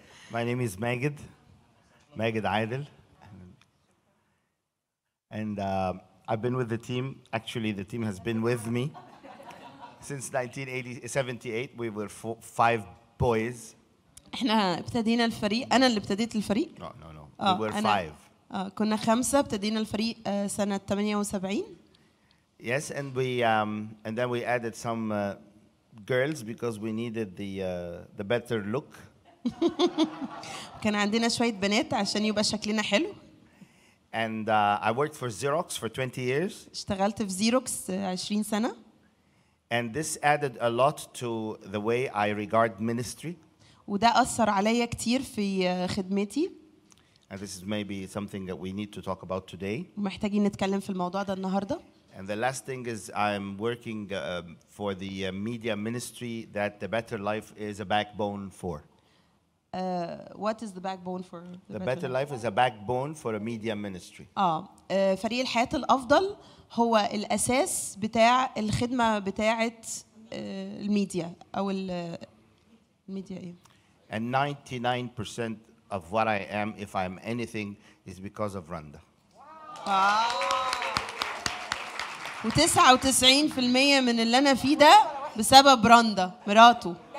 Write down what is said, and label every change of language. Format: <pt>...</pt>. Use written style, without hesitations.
<en>My name is Magid, Magid Aydel, and I've been with the team. Actually, the team has been with me since 1978. We were five boys.</en> <ar>إحنا ابتدينا الفريق. أنا اللي ابتديت الفريق.</ar> <en>No. We were five.</en> <ar>كنا خمسة ابتدينا الفريق سنة 78.</ar> <en>Yes, and we and then we added some girls because we needed the better look.</en> <ar>كان عندنا شوية بنات عشان يبقى شكلنا حلو.</ar> <en>And I worked for Xerox for 20 years.</en> <ar>اشتغلت في زيروكس 20 سنة.</ar> <en>And this added a lot to the way I regard ministry.</en> <ar>وده أثر عليا كتير في خدمتي.</ar> <en>And this is maybe something that we need to talk about today.</en> <ar>محتاجين نتكلم في الموضوع ده النهاردة.</ar> <en>And the last thing is I'm working for the media ministry that the Better Life is a backbone for. What is the backbone for the better life? Is a backbone for a media ministry.</en> <ar>فريق الحياة الأفضل هو الأساس بتاع الخدمة بتاعة الميديا أو الميديا.</ar> <en>And 99% of what I am, if I am anything, is because of Randa.</en> <ar>و 99% من اللي أنا فيه ده بسبب راندا مراته.</ar>